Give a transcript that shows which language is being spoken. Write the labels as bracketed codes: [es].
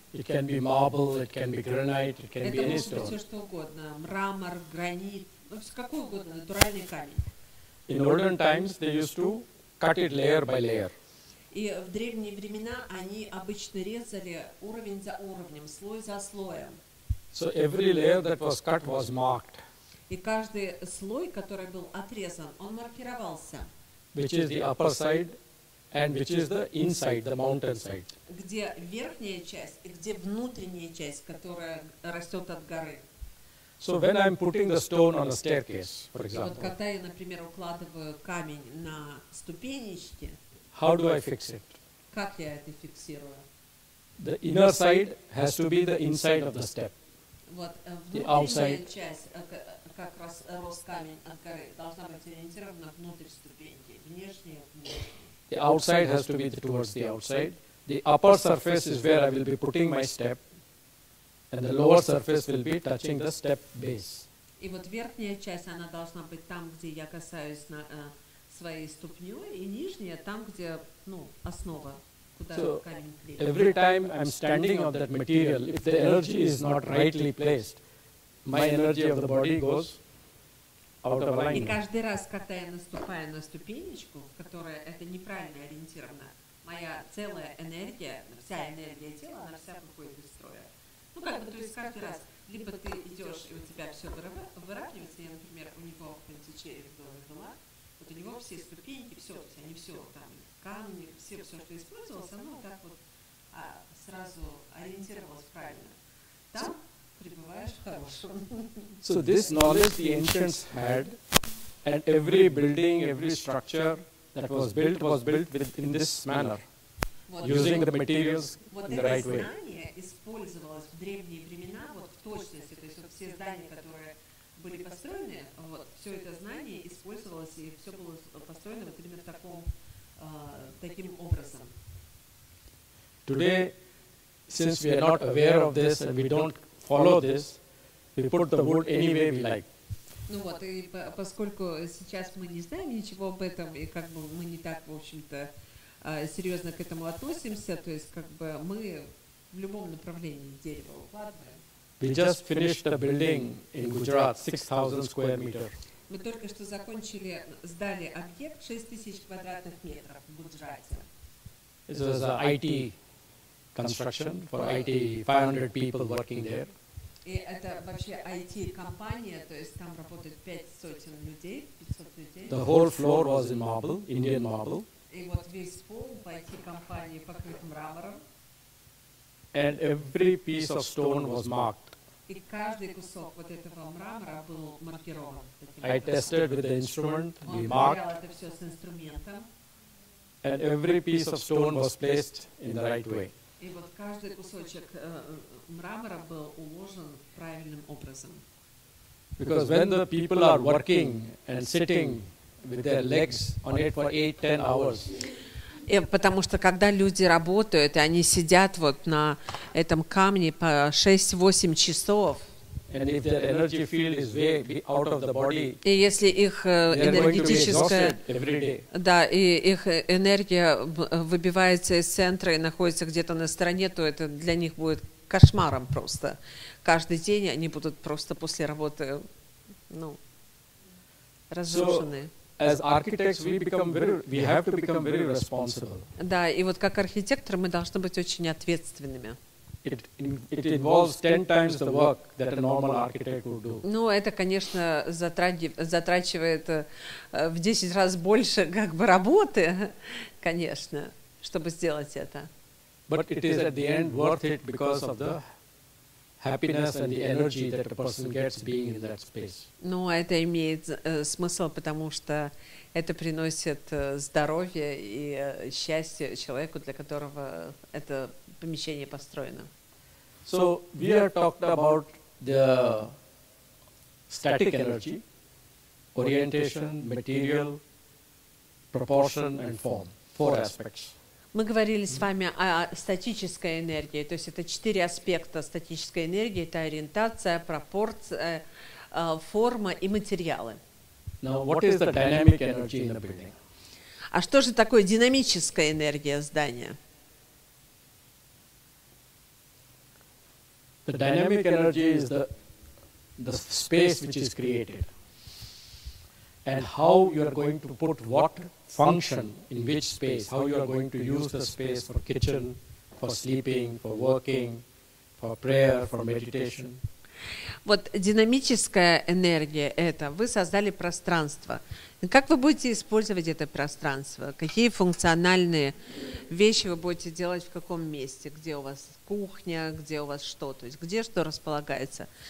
[en] it can be marble, it can be granite, it can be any stone. [ru] Это может быть все что угодно, мрамор, гранит, какой угодно, натуральный камень. [en] In olden times, they used to cut it layer by layer. [ru] И в древние времена они обычно резали уровень за уровнем, слой за слоем. [en] So every layer that was cut was marked. [ru] И каждый слой, который был отрезан, он маркировался. [en] Which is the upper side and which is the inside, the mountain side. [ru] Где верхняя часть и где внутренняя часть, которая растет от горы. [en] So when I'm putting the stone on a staircase, for example. [ru] Вот когда я, например, укладываю камень на ступенечки. [en] How do I fix it? [ru] Как я это фиксирую? [en] The inner side has to be the inside of the step. [ru] Вот, [en] the outside. [ru] Часть, как раз рос камень от горы, должна быть ориентирована внутрь ступеньки, внешняя внутрь. [en] The outside has to be the, towards the outside. The upper surface is where I will be putting my step, and the lower surface will be touching the step base. [ru] И вот верхняя часть, она должна быть там, где я касаюсь на своей ступнёй, и нижняя там, где, ну, основа, куда [en] so [ru] камень клеит. [en] Every time I'm standing on that material, if the energy is not rightly placed, my energy of the body goes out of alignment. [ru] И каждый раз, когда я наступаю на ступенечку, которая это неправильно ориентирована, моя целая энергия, вся энергия тела, она вся выходит из строя. Ну, как бы, то есть каждый раз, либо ты идёшь, и у тебя всё выравнивается, я, например, у него в конце черепа была, вот у него все ступеньки, все, они все там, камни, все, что использовалось, оно вот так вот сразу ориентировалось правильно. Там пребываешь в хорошем. [en] So this knowledge the ancients had, and every building, every structure that was built in this manner, [ru] вот [en] using the materials [ru] вот [en] in the right way. [ru] Вот это знание использовалось в древние времена, вот в точности, то есть вот все здания, которые были построены, вот, все это знание использовалось, и все было построено вот именно таком, таким образом. [en] Today, since we are not aware of this and we don't follow this, we put the wood any way we like. [ru] Ну вот, и поскольку сейчас мы не знаем ничего об этом, и как бы мы не так, в общем-то, серьезно к этому относимся, то есть как бы мы в любом направлении дерево укладываем. [en] We just finished a building in Gujarat, 6,000 square meters. [ru] Мы только что закончили, сдали объект 6,000 квадратных метров в Гуджарате. [en] It was an IT construction for IT, 500 people working there. [ru] И это вообще IT-компания, то есть там работает 500 людей. [en] The whole floor was in marble, Indian marble. [ru] И вот весь пол в IT-компании покрыт мрамором. [en] And every piece of stone was marked. [ru] И каждый кусок вот этого мрамора был маркирован. [en] I tested with the instrument, we marked. [ru] Он проверял это все с инструментом. [en] And every piece of stone was placed in the right way. [ru] И вот каждый кусочек мрамора был уложен правильным образом. [en] Because when the people are working and sitting with their legs on it for 8-10 hours. [ru] Потому что когда люди работают, и они сидят вот на этом камне по 6-8 часов, [en] and if their energy field is way out of the body, [ru] и если их энергетическая, да, и их энергия выбивается из центра и находится где-то на стороне, то это для них будет кошмаром просто. Каждый день они будут просто после работы, ну, разрушены. [en] So, as architects, we have to become very responsible. [ru] Да, и вот как архитектор мы должны быть очень ответственными. [en] It involves 10 times the work that a normal architect would do. [ru] Ну, это, конечно, затрачивает в 10 раз больше как бы работы, конечно, чтобы сделать это. [en] But it is at the end worth it because of the happiness and the energy that a person gets being in that space. [ru] Ну, это имеет смысл, потому что это приносит здоровье и счастье человеку, для которого это помещение построено. [en] So we are talked about the static energy, orientation, material, proportion and form, four aspects. [ru] Мы говорили с вами о статической энергии, то есть это четыре аспекта статической энергии: это ориентация, пропорция, форма и материалы. [en] Now what is the dynamic energy in a building? [ru] А что же такое динамическая энергия здания? [en] The dynamic energy is the space which is created, and how you are going to put what function in which space, how you are going to use the space for kitchen, for sleeping, for working, for prayer, for meditation. [ru] Вот динамическая энергия – это вы создали пространство. Как вы будете использовать это пространство? Какие функциональные вещи вы будете делать в каком месте? Где у вас кухня, где у вас что? То есть где что располагается?